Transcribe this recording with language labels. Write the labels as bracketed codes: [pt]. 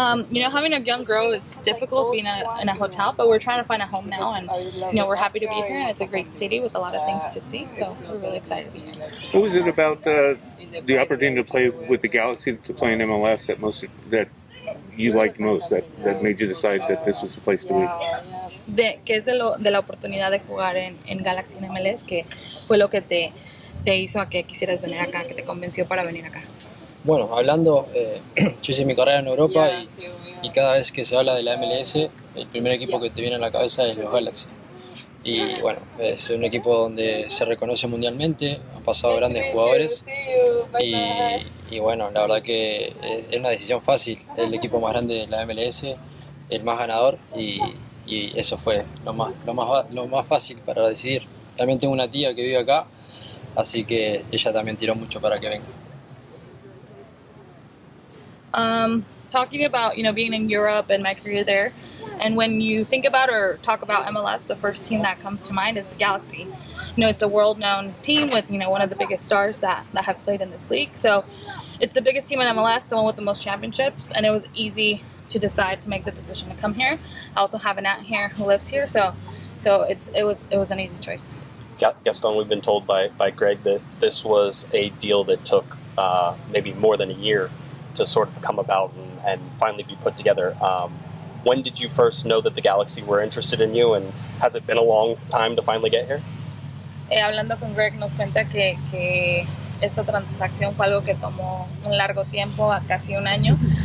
[en] You know, having a young girl is difficult being in a hotel, but we're trying to find a home now, and you know, we're happy to be here. It's a great city with a lot of things to see, so we're really excited. What was it about the opportunity to play with the Galaxy, to play in MLS that you liked most, that made you decide that this was the place to be? [es] ¿Qué es de la oportunidad de jugar en Galaxy en MLS que fue lo que te hizo a que quisieras venir acá, que te convenció para venir acá? Bueno, hablando, yo hice mi carrera en Europa y cada vez que se habla de la MLS, el primer equipo que te viene a la cabeza es los Galaxy. Y bueno, es un equipo donde se reconoce mundialmente, han pasado grandes jugadores y bueno, la verdad que es una decisión fácil. Es el equipo más grande de la MLS, el más ganador y eso fue lo más fácil para decidir. También tengo una tía que vive acá, así que ella también tiró mucho para que venga. [en] Talking about, you know, being in Europe and my career there, and when you think about or talk about MLS, the first team that comes to mind is the Galaxy. You know, it's a world-known team with, you know, one of the biggest stars that have played in this league. So it's the biggest team in MLS, the one with the most championships, and it was easy to decide to make the decision to come here. I also have an aunt here who lives here, so it was an easy choice. Gaston, we've been told by Greg that this was a deal that took maybe more than a year to sort of come about and finally be put together. When did you first know that the Galaxy were interested in you, and has it been a long time to finally get here? [es] Hablando con Greg, nos cuenta que esta transacción fue algo que tomó un largo tiempo, a casi un año.